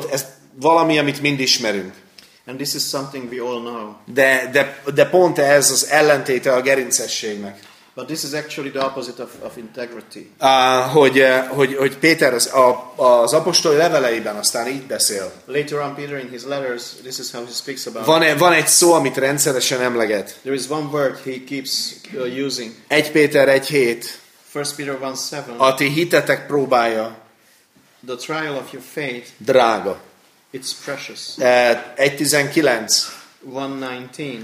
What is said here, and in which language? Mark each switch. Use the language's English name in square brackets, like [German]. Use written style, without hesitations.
[Hungarian] Ez valami, amit mind ismerünk. [English] And this is something we all know. [Hungarian] De pont ez az ellentéte a gerincességnek. [English] But this is actually the opposite of integrity. [Hungarian] Hogy Péter az apostoli leveleiben aztán így beszél. [English] Later on Peter in his letters, this is how he speaks about. [Hungarian] Van egy szó, amit rendszeresen emleget. [English] There is one word he keeps using. [Hungarian] 1 Péter 1:7. [English] 1 Peter 1:7. [Hungarian] A ti hitetek próbája. [English] The trial of your faith. [Hungarian] Drága. [English] It's precious. 1:19. 1:19.